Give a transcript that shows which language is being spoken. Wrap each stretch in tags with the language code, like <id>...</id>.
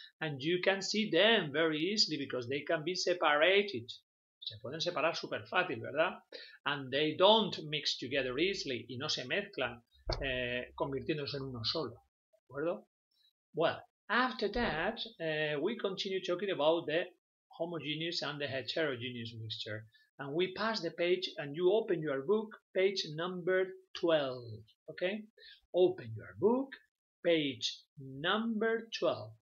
<en>And you can see them very easily because they can be separated.</en> <es>Se pueden separar súper fácil, ¿verdad?</es> <en>And they don't mix together easily.</en> <es>Y no se mezclan, convirtiéndose en uno solo. ¿De acuerdo?</es> <en>Well, after that, we continue talking about the homogeneous and the heterogeneous mixture. And we pass the page and you open your book, page number 12. Okay? Open your book, page number 12.</en>